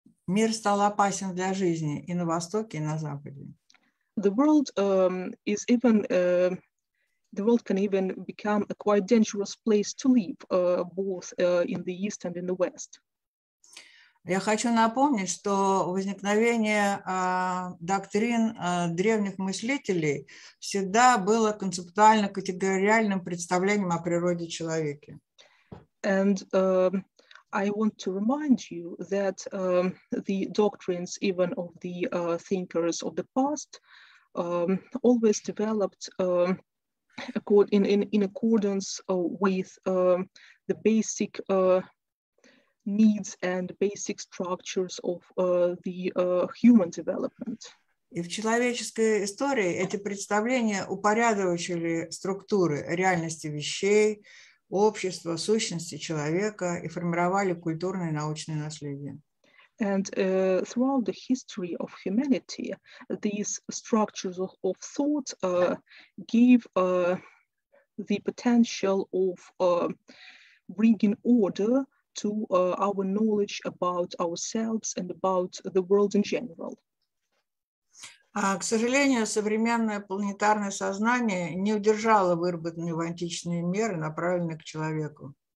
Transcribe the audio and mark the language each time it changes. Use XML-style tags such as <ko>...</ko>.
<ru>Мир стал опасен для жизни и на востоке, и на западе.</ru> <en>The world is even the world can even become a quite dangerous place to live, both in the east and in the west.</en> <ru>Я хочу напомнить, что возникновение доктрин древних мыслителей всегда было концептуально-категориальным представлением о природе человека.</ru> <en>And I want to remind you that the doctrines even of the thinkers of the past always developed in accordance with the basic needs and basic structures of the human development.</en> <ru>И в человеческой истории эти представления упорядочили структуры реальности вещей, общества, сущности человека и формировали культурное и научное наследие.</ru> <en>And throughout the history of humanity, these structures of thought gave the potential of bringing order to our knowledge about ourselves and about the world in general.</en> <ru>К сожалению, современное планетарное сознание не удержало выработанные в античные меры, направленные к человеку.</ru>